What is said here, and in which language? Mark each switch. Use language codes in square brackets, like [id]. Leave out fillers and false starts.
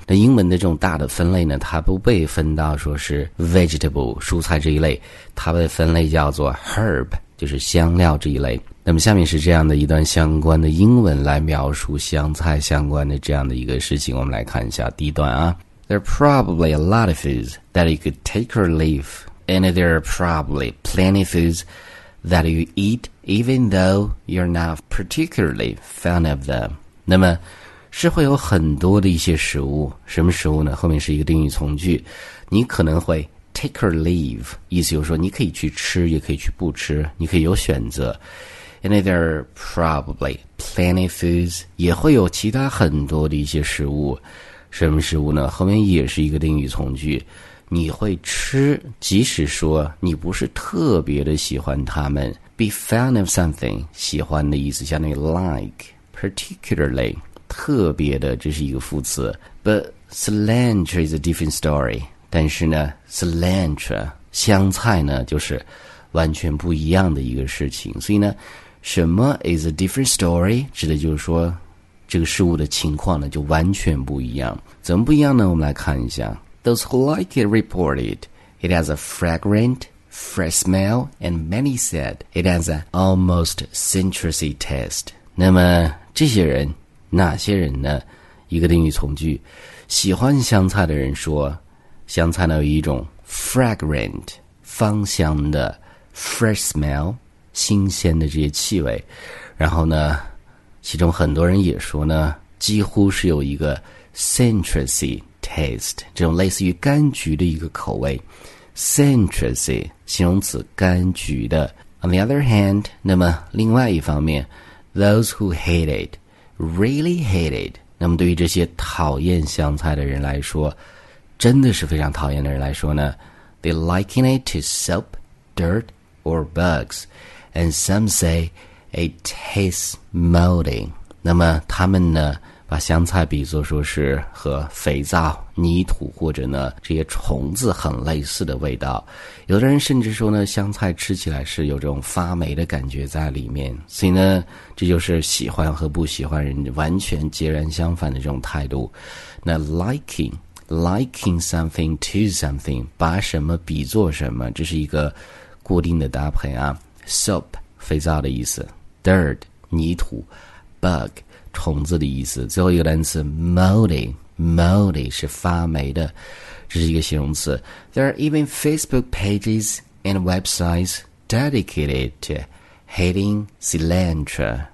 [zh] 那英文的这种大的分类呢，它不被分到说是 vegetable 蔬菜这一类，它被分类叫做 herb 就是香料这一类。那么下面是这样的一段相关的英文来描述香菜相关的这样的一个事情，我们来看一下第一段啊。 [en] There are probably a lot of foods that you could take or leave, and there are probably plenty of foods that you eat even though you're not particularly fond of them. [zh] 那么是会有很多的一些食物，什么食物呢？后面是一个定语从句，你可能会 take or leave， 意思就是说你可以去吃，也可以去不吃，你可以有选择。 [en] And there are probably plenty of foods， [zh] 也会有其他很多的一些食物，什么食物呢？后面也是一个定语从句，你会吃，即使说你不是特别的喜欢它们。 [en] Be fond of something， [zh] 喜欢的意思，相当于 [en] like， particularly。 [zh] 特别的，这是一个副词。 [en] But cilantro is a different story. [zh] 但是呢 ，cilantro 香菜呢，就是完全不一样的一个事情。所以呢，什么 is a different story 指的就是说，这个事物的情况呢就完全不一样。怎么不一样呢？我们来看一下。 [en] Those who like it reported it has a fragrant, fresh smell, and many said it has an almost citrusy taste. [zh] 那么这些人。哪些人呢？一个定语从句，喜欢香菜的人说，香菜呢有一种 fragrant 芳香的 fresh smell 新鲜的这些气味，然后呢，其中很多人也说呢，几乎是有一个 citrusy taste 这种类似于柑橘的一个口味 ，citrusy 形容词柑橘的。 [en] On the other hand， [zh] 那么另外一方面 [en] ，those who hate it。 Really hate it. [zh] 那么对于这些讨厌香菜的人来说，真的是非常讨厌的人来说呢 [en] ，They liken it to soap, dirt, or bugs, and some say it tastes moldy. [zh] 那么他们呢，把香菜比作说是和肥皂、泥土或者呢这些虫子很类似的味道。有的人甚至说呢，香菜吃起来是有这种发霉的感觉在里面。所以呢，这就是喜欢和不喜欢人完全截然相反的这种态度。那 [en] liking something to something， [zh] 把什么比作什么，这是一个固定的搭配啊。 soap 肥皂的意思 ，dirt 泥土 ，bug。虫子的意思，最后一个单词 moldy 是发霉的，这是一个形容词。 [en] There are even Facebook pages and websites dedicated to hating cilantro。